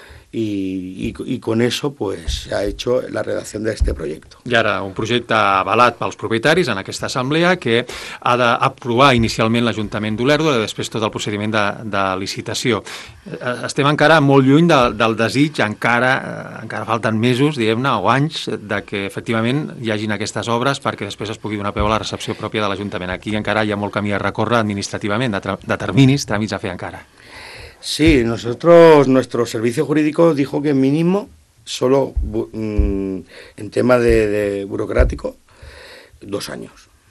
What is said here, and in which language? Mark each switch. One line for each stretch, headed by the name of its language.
Spanish: I con eso pues se ha hecho la redacción de este proyecto.
Catalan: I ara un projecte avalat pels propietaris en aquesta assemblea que ha d'aprovar inicialment l'Ajuntament d'Olèrdola i després tot el procediment de licitació. Estem encara molt lluny del desig, encara falten mesos, diguem-ne, o anys, de que efectivament hi hagin aquestes obres perquè després es pugui donar peu a la recepció pròpia de l'Ajuntament. Aquí encara hi ha molt camí a recórrer administrativament, de terminis, tràmits a fer encara.
Spanish: Sí, nuestro servicio jurídico dijo que mínimo, solo en tema de burocrático, 2 años.